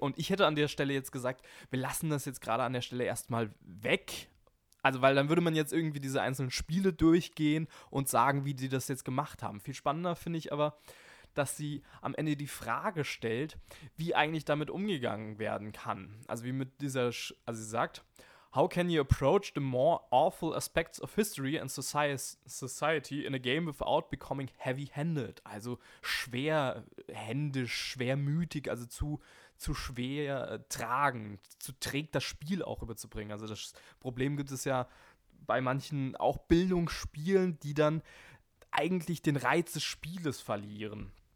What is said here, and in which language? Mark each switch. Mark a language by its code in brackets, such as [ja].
[de] Und ich hätte an der Stelle jetzt gesagt, wir lassen das jetzt gerade an der Stelle erstmal weg. Also, weil dann würde man jetzt irgendwie diese einzelnen Spiele durchgehen und sagen, wie die das jetzt gemacht haben. Viel spannender finde ich aber, dass sie am Ende die Frage stellt, wie eigentlich damit umgegangen werden kann. Also, sie sagt, [en] How can you approach the more awful aspects of history and society in a game without becoming heavy-handed? [de] Also schwerhändisch, schwermütig, also zu schwer tragend, zu träg das Spiel auch überzubringen. Also das Problem gibt es ja bei manchen auch Bildungsspielen, die dann eigentlich den Reiz des Spieles verlieren.